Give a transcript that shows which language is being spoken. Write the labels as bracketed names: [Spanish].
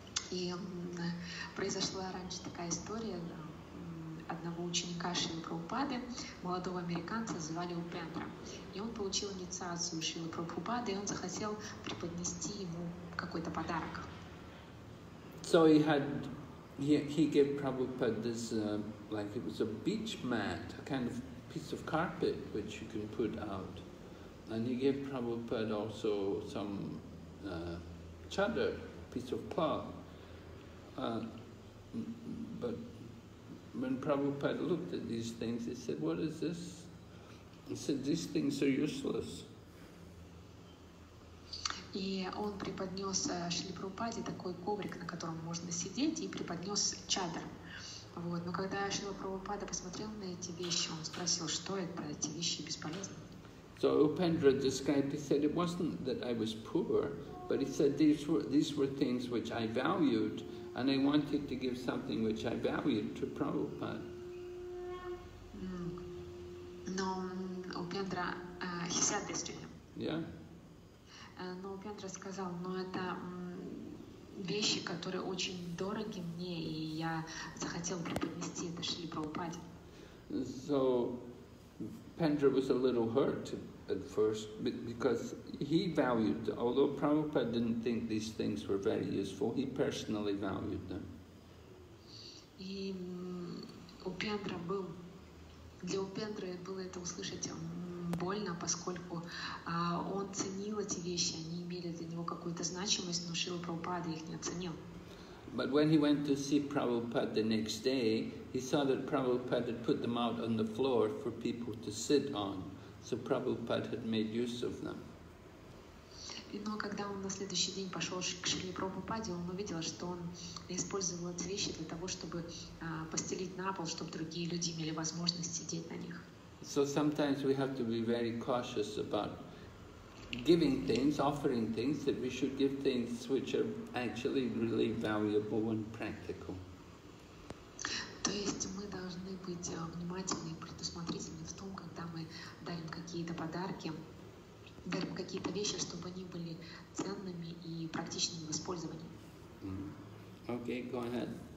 [Russian] И произошла раньше такая история одного ученика Шрилы Прабхупады, молодого американца, звали Упендра. И он получил инициацию Шрилы Прабхупады, и он захотел преподнести ему какой-то подарок. [English] So he had, he gave Prabhupada this, like it was a beach mat, a kind of piece of carpet which you can put out. And he gave Prabhupada also some chadar, piece of cloth. But when Prabhupada looked at these things, he said, what is this? He said, these things are useless. [Russian] И он преподнес Шриле Прабхупаде такой коврик, на котором можно сидеть, и преподнес чадар. Вот. Но когда Шрила Прабхупада посмотрел на эти вещи, он спросил, что это, эти вещи бесполезны. [English] So Upendra described, he said, it wasn't that I was poor, but he said, these were things which I valued, and I wanted to give something which I valued to Prabhupada. No, Upendra, he said this to him. Yeah. [Russian] No, Upendra сказал, но это вещи, которые очень дороги мне, и я захотел преподнести это Шриле Прабхупаде. [English] So, Upendra was a little hurt at first, because he valued, although Prabhupada didn't think these things were very useful, he personally valued them. [Russian] И Упендра был, для Упендры было это услышать больно, поскольку он ценил эти вещи, они имели для него какую-то значимость, но Шрила Прабхупада их не оценил. [English] But when he went to see Prabhupada the next day, he saw that Prabhupada had put them out on the floor for people to sit on. So Prabhupada had made use of them. [Russian] Но когда он на следующий день пошел к Шриле Прабхупаде, он увидел, что он использовал эти вещи для того, чтобы постелить на пол, чтобы другие люди имели возможность сидеть на них. [English] So sometimes we have to be very cautious about giving things, offering things, that we should give things which are actually really valuable and practical. [Russian] То есть мы должны быть внимательны и предусмотрительны в том, когда мы дарим какие-то подарки, дарим какие-то вещи, чтобы они были ценными и практичными в использовании. [English] Okay, go ahead.